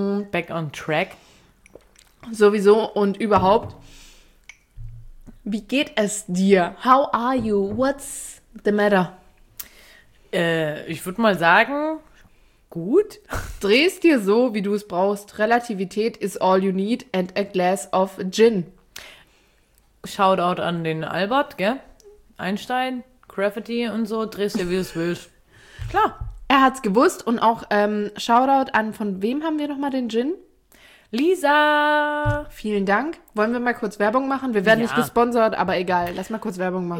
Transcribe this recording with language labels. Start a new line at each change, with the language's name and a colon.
English: Back on track.
German: Sowieso und überhaupt. Wie geht es dir?
English: How are you? What's the matter?
German: Ich würde mal sagen, gut. Drehst dir so, wie du es brauchst.
English: Relativität is all you need and a glass of gin.
German: Shoutout an den Albert, gell? Einstein, Gravity und so. Drehst dir, wie du es willst. Klar. Er hat's gewusst und auch Shoutout an, von wem haben wir nochmal den Gin? Lisa! Vielen Dank. Wollen wir mal kurz Werbung machen? Wir werden nicht gesponsert, aber egal. Lass mal kurz Werbung machen.